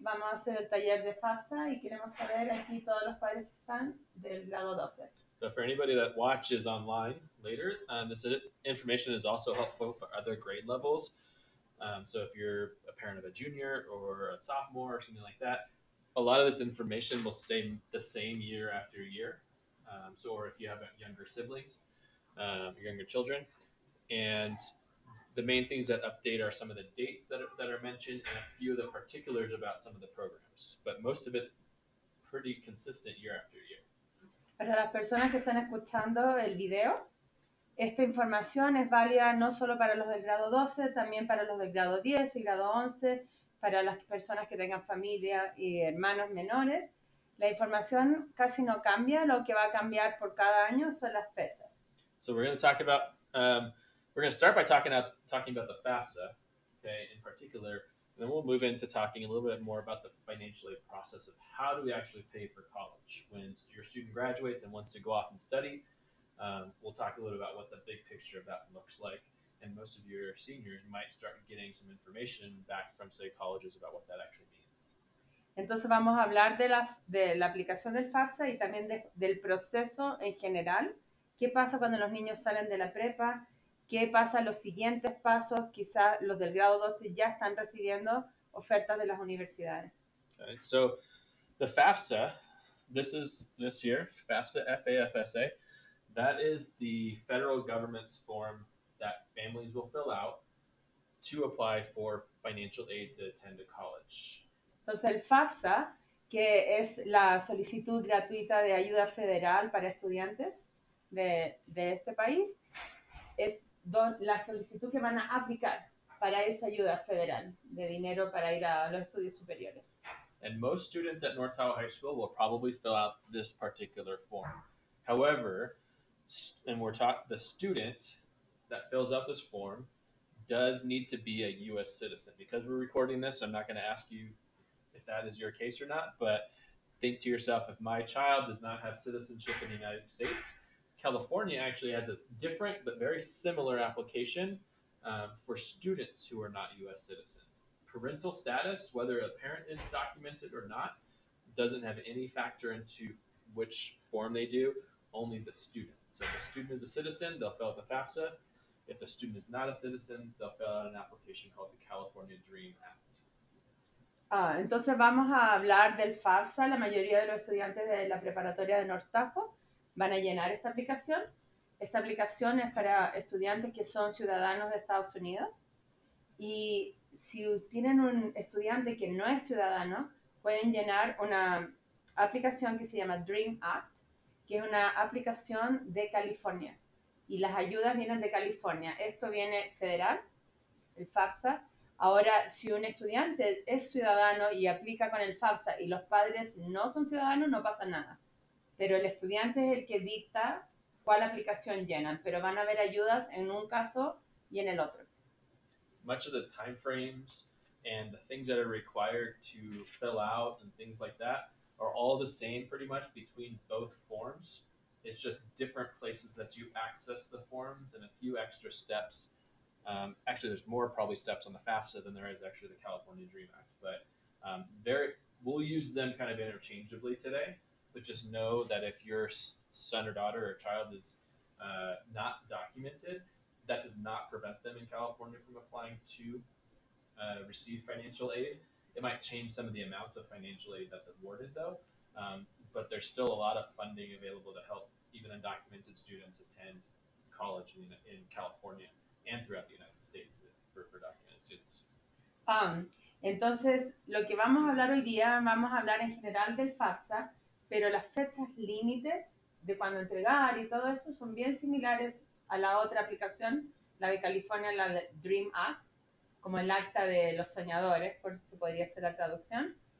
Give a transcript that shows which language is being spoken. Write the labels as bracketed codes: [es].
[es] Vamos a hacer el taller de FAFSA y queremos saber aquí todos los padres que están del grado 12. [en] But for anybody that watches online later, this information is also helpful for other grade levels. So if you're a parent of a junior or a sophomore or something like that, a lot of this information will stay the same year after year. So, or if you have younger siblings, younger children, and the main things that update are some of the dates that are mentioned and a few of the particulars about some of the programs. But most of it's pretty consistent year after year. [es] Para las personas que están escuchando el video, esta información es válida no solo para los del grado 12, también para los del grado 10 y grado 11. Para las personas que tengan familia y hermanos menores, la información casi no cambia. Lo que va a cambiar por cada año son las fechas. [en] So we're going to talk about, we're going to start by talking about the FAFSA, okay, in particular, and then we'll move into talking a little bit more about the financial aid process of how do we actually pay for college when your student graduates and wants to go off and study. We'll talk a little about what the big picture of that looks like. And most of your seniors might start getting some information back from, say, colleges about what that actually means. [es] Entonces vamos a hablar de la aplicación del FAFSA y también del proceso en general. ¿Qué pasa cuando los niños salen de la prepa? ¿Qué pasa los siguientes pasos? Quizás los del grado 12 ya están recibiendo ofertas de las universidades. [en] Okay, so the FAFSA, this is this year, FAFSA, F-A-F-S-A. That is the federal government's form that families will fill out to apply for financial aid to attend a college. [es] Entonces el FAFSA, que es la solicitud gratuita de ayuda federal para estudiantes de este país, es la solicitud que van a aplicar para esa ayuda federal de dinero para ir a los estudios superiores. [en] And most students at North Tahoe High School will probably fill out this particular form. However, and we're taught the student that fills out this form does need to be a U.S. citizen. Because we're recording this, I'm not going to ask you if that is your case or not, but think to yourself, if my child does not have citizenship in the United States, California actually has a different but very similar application for students who are not U.S. citizens. Parental status, whether a parent is documented or not, doesn't have any factor into which form they do, only the student. So if the student is a citizen, they'll fill out the FAFSA. If the student is not a citizen, they'll fill out an application called the California Dream Act. [es] Entonces vamos a hablar del FAFSA. La mayoría de los estudiantes de la preparatoria de North Tahoe van a llenar esta aplicación. Esta aplicación es para estudiantes que son ciudadanos de Estados Unidos. Y si tienen un estudiante que no es ciudadano, pueden llenar una aplicación que se llama Dream Act, que es una aplicación de California. Y las ayudas vienen de California. Esto viene federal, el FAFSA. Ahora, si un estudiante es ciudadano y aplica con el FAFSA y los padres no son ciudadanos, no pasa nada. Pero el estudiante es el que dicta cuál aplicación llenan. Pero van a haber ayudas en un caso y en el otro. [en] Much of the time frames and the things that are required to fill out and things like that are all the same pretty much between both forms. It's just different places that you access the forms and a few extra steps. Actually, there's more probably steps on the FAFSA than there is actually the California Dream Act. But we'll use them kind of interchangeably today. But just know that if your son or daughter or child is not documented, that does not prevent them in California from applying to receive financial aid. It might change some of the amounts of financial aid that's awarded, though. But there's still a lot of funding available to help even undocumented students attend college in California and throughout the United States for documented students. [es] Entonces, lo que vamos a hablar hoy día, vamos a hablar en general del FAFSA, pero las fechas límites de cuando entregar y todo eso son bien similares a la otra aplicación, la de California, la de Dream Act, como el acta de los soñadores, por si podría ser la traducción.